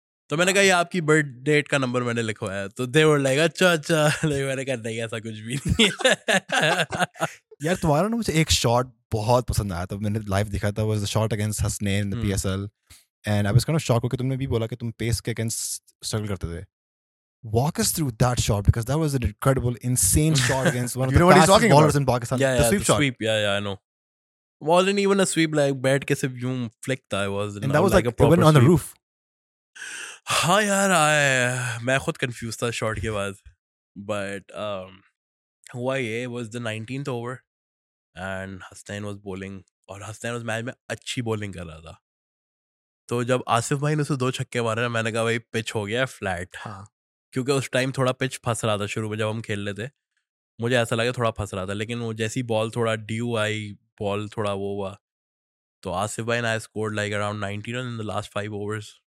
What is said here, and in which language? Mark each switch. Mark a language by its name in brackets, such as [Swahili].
[Hindi] तो मैंने कहा ये आपकी बर्थ डेट का नंबर मैंने लिखवाया है. तो [English] they were like [Hindi] अच्छा अच्छा. मैंने कहा नहीं ऐसा कुछ भी नहीं. यार तुम्हारा ना मुझे एक शॉट बहुत पसंद आया था. मैंने लाइव दिखा था [English] Was the shot against Hasnain in the PSL and I was kind of shocked कि तुमने भी बोला कि तुम पेस के अगेंस्ट स्ट्रगल करते थे. Walk us through that shot because that was an incredible, insane shot against one of the fastest ballers in Pakistan. Yeah, the sweep shot. Sweep. Yeah, yeah, I know. Wasn't even a sweep, like [Hindi] bat ke sirf yun flick tha, [English] it was. And that was like a proper on the roof. [Hindi] Ha yaar, main khud confused tha shot ke baad. [English] But hua ye was the 19th over and Hasnain was bowling aur Hasnain was [Hindi] match mein achhi bowling kar raha tha. To jab Asif bhai ne usse do chhakke maare na, maine kaha bhai pitch ho gaya flat. क्योंकि उस time थोड़ा pitch फंस रहा था शुरू में जब हम खेल रहे थे. मुझे ऐसा लगा थोड़ा फंस रहा था लेकिन वो जैसी बॉल थोड़ा ड्यू आई बॉल थोड़ा वो हुआ तो आसिफ भाई ने [English] I scored like around 19 run in the last 5 overs.